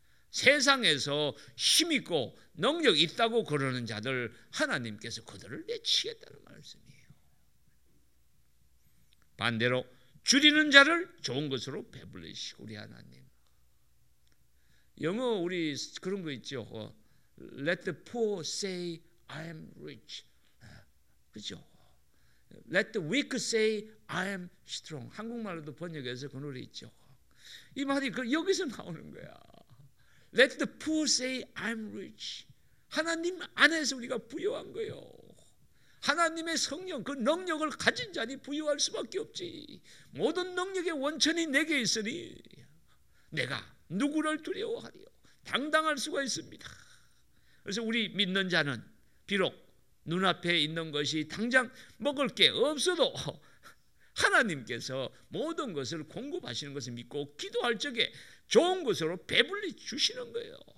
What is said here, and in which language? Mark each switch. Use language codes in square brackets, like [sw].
[ko] 세상에서 힘 있고 능력 있다고 그러는 자들 하나님께서 그들을 내치겠다는 말씀이에요. 반대로 줄이는 자를 좋은 것으로 배불리시고 우리 하나님. 영어 우리 그런 거 있죠. [en] Let the poor say I am rich. [ko] 그렇죠. [en] Let the weak say, I am strong. [ko] 한국말로도 번역해서 그 노래 있죠. 이 말이 여기서 나오는 거야. [en] Let the poor say, I am rich. [ko] 하나님 안에서 우리가 부요한 거예요. 하나님의 성령, 그 능력을 가진 자니 부요할 수밖에 없지. 모든 능력의 원천이 내게 있으니 내가 누구를 두려워하리요. 당당할 수가 있습니다. 그래서 우리 믿는 자는 비록 눈앞에 있는 것이 당장 먹을 게 없어도 하나님께서 모든 것을 공급하시는 것을 믿고 기도할 적에 좋은 것으로 배불리 주시는 거예요.